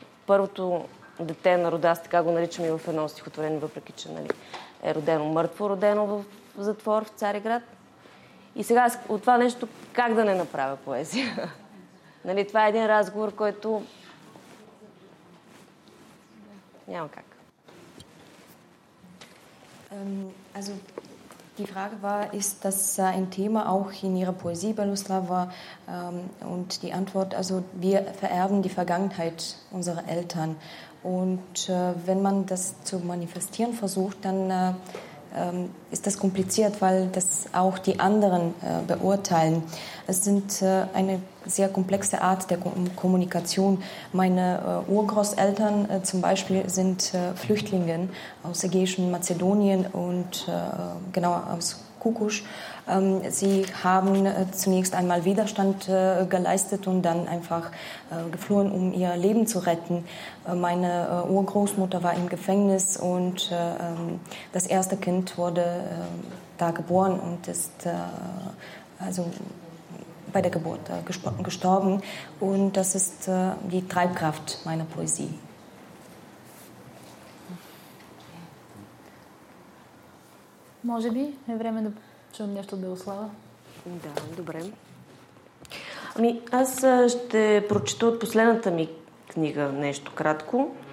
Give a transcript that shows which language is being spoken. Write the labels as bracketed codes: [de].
[bg] Първото дете на рода, така го наричам и в едно стихотворение, въпреки че, нали, е родено мъртво, родено в затвор в Цариград. И сега от това нещо как да не направя поезия? Нали, това е един разговор, който няма как. [de] Also, die Frage war, ist das ein Thema auch in Ihrer Poesie, Baluslava? Und die Antwort, also wir vererben die Vergangenheit unserer Eltern. Und wenn man das zu manifestieren versucht, dann ist das kompliziert, weil das auch die anderen beurteilen. Es sind eine sehr komplexe Art der Kommunikation. Meine Urgroßeltern zum Beispiel sind Flüchtlinge aus Ägäischen Mazedonien und genau aus Kukusch. Sie haben zunächst einmal Widerstand geleistet und dann einfach geflohen, um ihr Leben zu retten. Meine Urgroßmutter war im Gefängnis und das erste Kind wurde da geboren und ist also bei der Geburt gestorben. Und das ist die Treibkraft meiner Poesie. [bg] Може би е време да чуем нещо от Белослава. Да, добре. Ами, аз ще прочета от последната ми книга нещо кратко.